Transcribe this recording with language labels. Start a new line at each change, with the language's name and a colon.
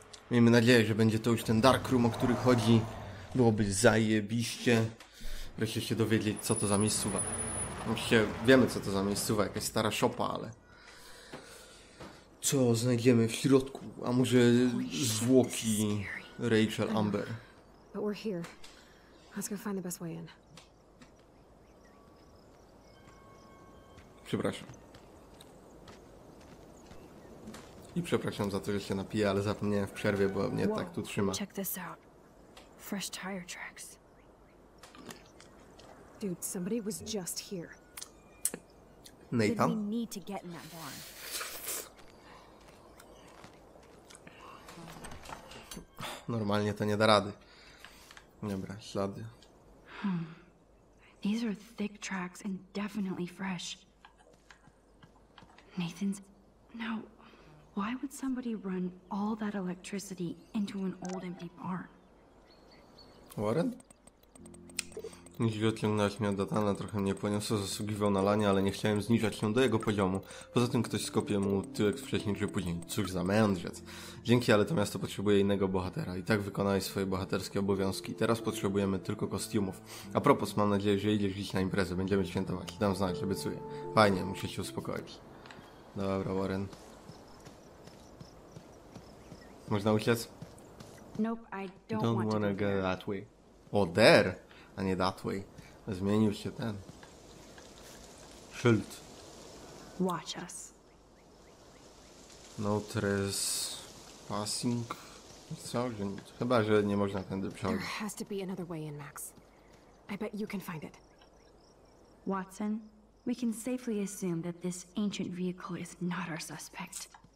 Polish: Miejmy nadzieję, że będzie to już ten Dark Room, o który chodzi. Byłoby zajebiście wreszcie się dowiedzieć, co to za miejscówa. Oczywiście wiemy, co to za miejscówa, jakaś stara szopa, ale... Co znajdziemy w środku? A może zwłoki Rachel Amber?
English: Let's go find the best way in.
Polish: Przepraszam. I przepraszam za to, że się napiję, ale zapomniałem w przerwie, bo mnie tak tu trzyma.
English: Check this out. Fresh tire tracks. Dude, somebody was just here. Nathan? We need to get in that barn.
Polish: Normalnie to nie da rady. Dobra, ślady.
English: These are thick tracks and definitely fresh. Nathan's... Now, why would somebody run all that electricity into an old empty barn? Warren?
Polish: Jeśli odciągnęłaś mnie od Nathana, trochę mnie poniosło, zasługiwał na lanie, ale nie chciałem zniżać się do jego poziomu. Poza tym ktoś skopie mu tyłek wcześniej czy później. Cóż za mędrzec. Dzięki, ale to miasto potrzebuje innego bohatera. I tak wykonałeś swoje bohaterskie obowiązki. Teraz potrzebujemy tylko kostiumów. A propos, mam nadzieję, że idziesz dziś na imprezę. Będziemy świętować. Dam znać, obiecuję. Fajnie, muszę się uspokoić. Dobra, Warren. Można uciec?
English: Don't wanna go that way. Oh, there!
Polish: A nie
English: that way.
Polish: Zmienił się ten. Szyld.
English: Watch us. No trespassing.
Polish: Co? Chyba, że nie można tędy przechodzić.
English: There has to be another way in, Max. I bet you can find it. Watson, we can safely assume that this ancient vehicle is not our suspect.